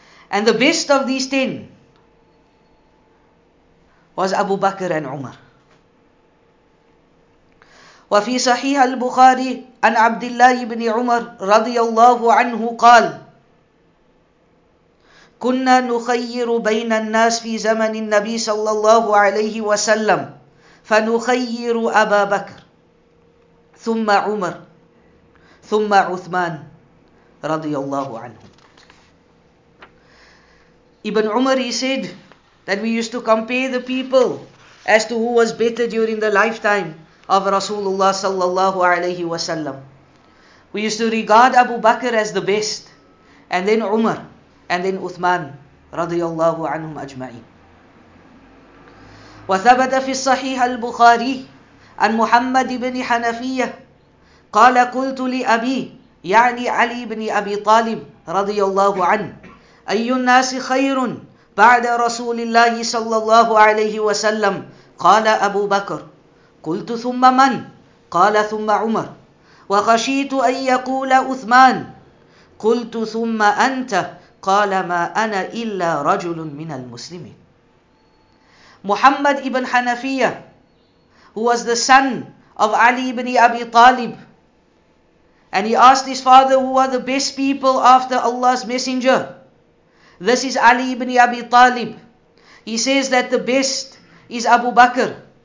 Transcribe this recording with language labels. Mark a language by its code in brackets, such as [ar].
[en] And the best of these 10 was Abu Bakr and Umar. [ar] وفي صحيح البخاري عن عبد الله بن عمر رضي الله عنه قال كنا نخير بين الناس في زمن النبي صلى الله عليه وسلم فنخير أبا بكر ثم عمر ثم عثمان رضي الله عنه. [en] Ibn Umar, he said that we used to compare the people as to who was better during the lifetime of Rasulullah sallallahu alayhi wa sallam. We used to regard Abu Bakr as the best, and then Umar, and then Uthman radiyallahu anhum ajma'in. [ar] وثبت في الصحيح البخاري عن محمد بن حنفية قال قلت لأبي يعني علي بن أبي طالب رضي الله عنه أي الناس خير بعد رسول الله صلى الله عليه وسلم قال أبو بكر قلت ثم من؟ قال ثم عمر وخشيت أن يقول أثمان قلت ثم أنت قال ما أنا إلا رجل من المسلمين. [en] محمد ابن حنفية, who was the son of Ali ibn Abi Talib, and he asked his father, who are the best people after Allah's messenger? This is Ali ibn Abi Talib. He says that the best is Abu Bakr.